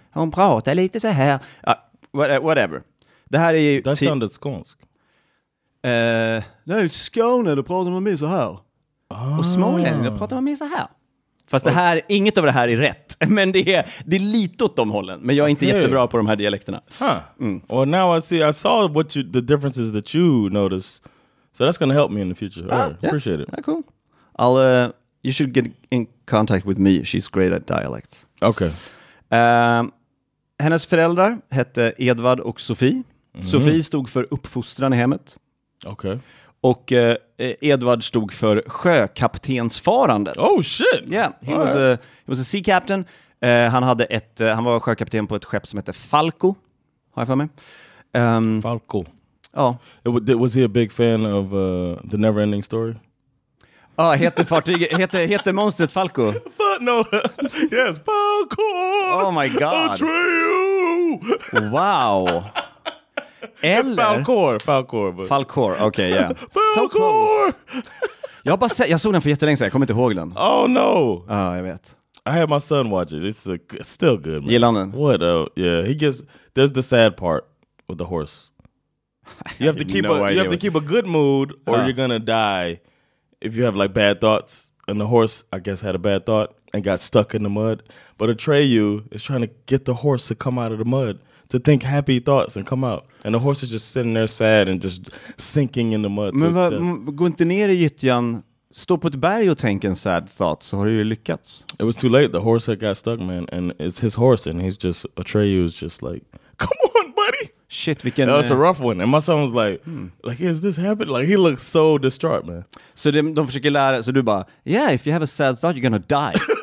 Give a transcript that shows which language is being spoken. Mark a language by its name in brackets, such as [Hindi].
[Swedish] Hon pratar lite så här. Whatever. Det här är ju... [English] That sounded skånsk. [Swedish] Nej, Skåne, då pratar man med så här. Oh. Och Småland, då pratar man med så här. Fast det här, inget av det här är rätt. Men det är lite åt de hållen. Men jag är inte jättebra på de här dialekterna. Huh. Mm. [English] Well, now I saw what you, the differences that you notice. So that's going to help me in the future. Yeah. Appreciate it. Yeah, cool. You should get in contact with me. She's great at dialects. Okay. [Swedish] Hennes föräldrar hette Edvard och Sofie. Mm-hmm. Sofie stod för uppfostran i hemmet. [English] Okay. [Swedish] Och Edvard stod för sjökaptensfarandet. [English] Oh shit. Yeah, he was a sea captain. [Swedish] Han var sjökapten på ett skepp som hette Falco. Har jag för mig? Falco. Ja. [English] Was he a big fan of The Neverending Story? [Swedish] Ja, heter monstret Falco. [English] But no. Yes, Falco. Oh my god. Atreyu. Wow. Eller Falkor. [Swedish] Falkor, okej, ja. Falkor! Jag såg den för jättelänge sedan, jag kommer inte ihåg den. [English] Oh no! [Swedish] Ja, jag vet. [English] I had my son watch it, it's still good, man. [Swedish] Gillar den? [English] What a, yeah, he gets, there's the sad part with the horse. You have to keep a good mood or you're gonna die if you have like bad thoughts. And the horse, I guess, had a bad thought and got stuck in the mud. But Atreyu is trying to get the horse to come out of the mud. To think happy thoughts and come out. And the horse is just sitting there sad and just sinking in the mud. [Swedish] Men gå inte ner i gyttjan, stå på ett berg och tänk en [English] sad thought, [Swedish] så har du ju lyckats. [English] It was too late, the horse had got stuck, man. And it's his horse and he's just, Atreyu is just like, come on, buddy! [Swedish] Shit, vilken... [English] That was a rough one. And my son was like, like, is this happening? Like, he looks so distraught, man. [Swedish] Så de försöker lära, så du bara, [English] yeah, if you have a sad thought, you're gonna die.